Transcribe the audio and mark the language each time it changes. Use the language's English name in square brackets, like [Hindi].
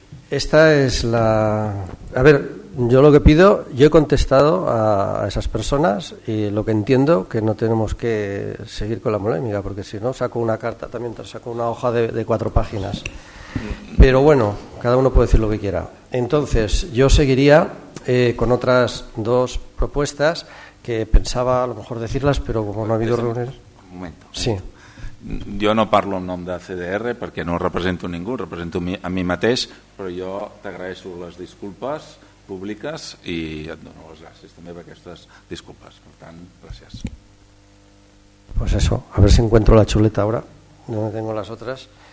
[Spanish] Esta es la... A ver, yo lo que pido, yo he contestado a esas personas y lo que entiendo que no tenemos que seguir con la polémica, porque si no saco una carta también, saco una hoja de 4 páginas. Pero bueno, cada uno puede decir lo que quiera. Entonces, yo seguiría con otras 2 propuestas que pensaba a lo mejor decirlas, pero como no ha habido reuniones... Un momento. Sí. [Catalan] Jo no parlo en nom de CDR perquè no represento ningú, represento a mi mateix, però jo t'agraeixo les disculpes públiques i et dono les gràcies també per aquestes disculpes. Per tant, gràcies. [Spanish] Pues eso, a ver si encuentro la chuleta ahora, donde tengo las otras.